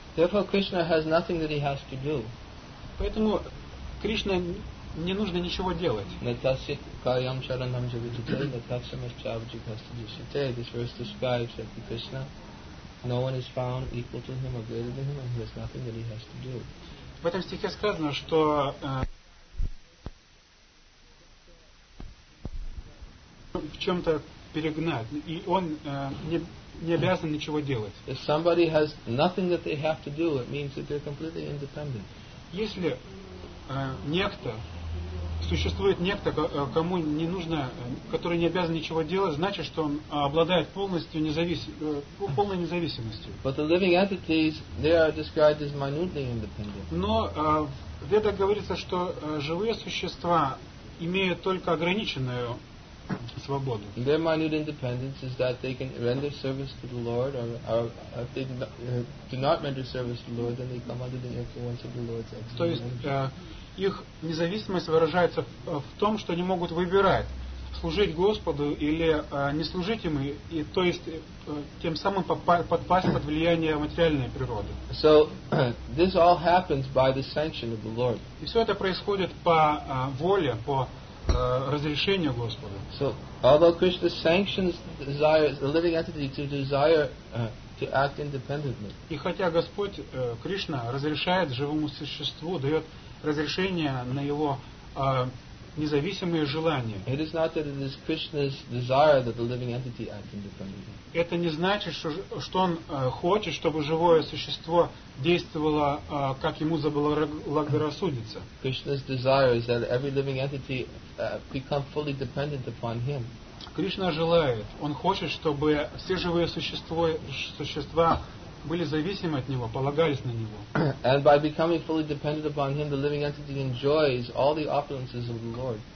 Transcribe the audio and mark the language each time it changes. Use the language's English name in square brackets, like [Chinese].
[English] Therefore, Krishna has nothing that he has to do. [Russian] Поэтому Кришне не нужно ничего делать. [Sanskrit] Natasya kayam charanam javitate, natasya maschavajikastajishate. [English] This verse describes that Krishna, no one is found equal to him or greater than him, and he has nothing that he has to do. [Russian] В этом стихе сказано, что в чем-то перегнать, и он не обязан ничего делать. [English] If somebody has nothing that they have to do, it means that they're completely independent. [Russian] Если некто существует некто, кому не нужно, который не обязан ничего делать, значит, что он обладает полностью полной независимостью. [English] But the living entities, they are described as minutely independent. [Russian] Но в Ведах говорится, что живые существа имеют только ограниченную свободу. [English] Their minute independence is that they can render service to the Lord, or if they do not render service to the Lord, then they come under the influence of the Lord's action. [Russian] То есть их независимость выражается в том, что они могут выбирать служить Господу или не служить Ему, и то есть тем самым подпасть под влияние материальной природы. [English] So this all happens by the sanction of the Lord. [Russian] И все это происходит по воле, по разрешению Господа. [English] So although Krishna sanctions the living entity to desire to act independently. [Russian] И хотя Господь Кришна разрешает живому существу, дает разрешение на его независимые желания. [English] It is not that it is Krishna's desire that the living entity act independently. [Russian] Это не значит, что он хочет, чтобы живое существо действовало, как ему заблагорассудится. [English] Krishna's desire is that every living entity become fully dependent upon him. [Russian] Кришна желает, он хочет, чтобы все живые существа были зависимы от него, полагались на него. [English] And by becoming fully dependent upon him, the living entity enjoys all the opulences of the Lord.